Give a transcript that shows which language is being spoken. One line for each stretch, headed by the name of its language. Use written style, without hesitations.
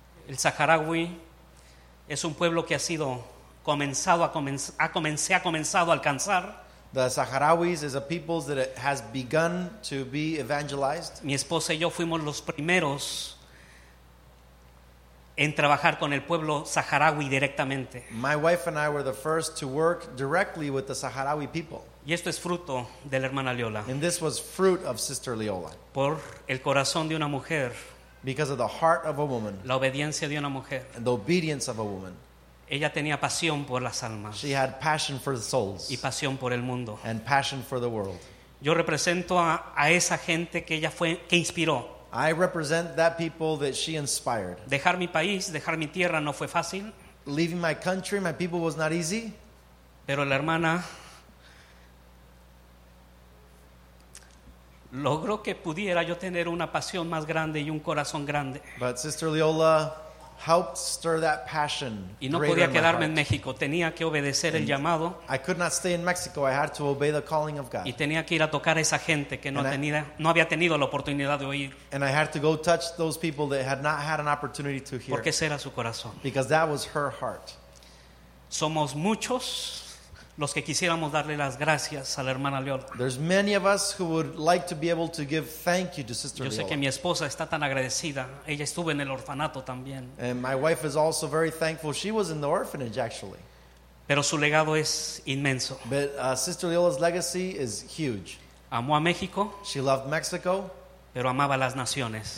Spanish: El saharaui es un pueblo que ha sido comenzado a comenzado a alcanzar.
English: The Saharauis is a people that it has begun to be evangelized.
Spanish: Mi esposa y yo fuimos los primeros en trabajar con el pueblo saharaui directamente.
English: My wife and I were the first to work directly with the Saharaui people.
Spanish: Y esto es fruto de la hermana Leola.
English: And this was fruit of Sister Leola.
Spanish: Por el corazón de una mujer.
English: Because of the heart of a woman.
Spanish: La obediencia de una mujer.
English: And the obedience of a woman.
Spanish: Ella tenía pasión por las almas.
English: She had passion for the souls.
Spanish: Y pasión por el mundo.
English: And passion for the world.
Spanish: Yo represento a esa gente que ella fue, que inspiró.
English: I represent that people that she inspired.
Spanish: Dejar mi país, dejar mi tierra no fue fácil.
English: Leaving my country, my people was not easy.
Spanish: Pero la hermana logró que pudiera yo tener una pasión más grande y un corazón grande.
English: But Sister Leola helped stir that passion.
Spanish: Y no podía quedarme en México, tenía que obedecer el llamado.
English: I could not stay in Mexico, I had to obey the calling of God.
Spanish: Y tenía que ir a tocar a esa gente que no había tenido la oportunidad de oír.
English: And I had to go touch those people that had not had an opportunity to hear.
Spanish: Porque ese era su corazón.
English: Because that was her heart.
Spanish: Somos muchos los que quisiéramos darle las gracias a la hermana Leola.
English: There's many of us who would like to be able to give thank you to Sister Leola.
Spanish: Yo sé que mi esposa está tan agradecida. Ella estuvo en el orfanato también.
English: And my wife is also very thankful. She was in the orphanage, actually.
Spanish: Pero su legado es inmenso.
English: But Sister Leola's legacy is huge.
Spanish: Amó a México.
English: She loved Mexico.
Spanish: Pero amaba las naciones.